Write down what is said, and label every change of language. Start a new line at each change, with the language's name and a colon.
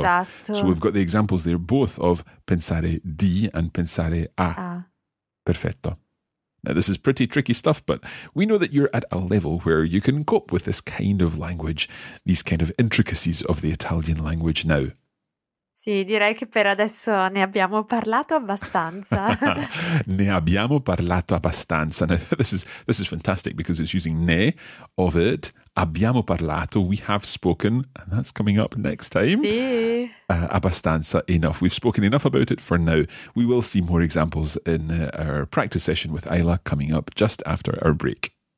Italian: Esatto.
English: So we've got the examples there, both of pensare di and pensare a. Perfetto. Now, this is pretty tricky stuff, but we know that you're at a level where you can cope with this kind of language, these kind of intricacies of the Italian language now.
Italian: Sì, direi che per adesso ne abbiamo parlato abbastanza. Ne abbiamo parlato abbastanza.
English: Now, this is fantastic because it's using ne, of it,
Italian: abbiamo parlato,
English: we have spoken, and that's coming up next time.
Italian: Sì.
English: Abbastanza, enough. We've spoken enough about it for now. We will see more examples in our practice session with Ayla coming up just after our break.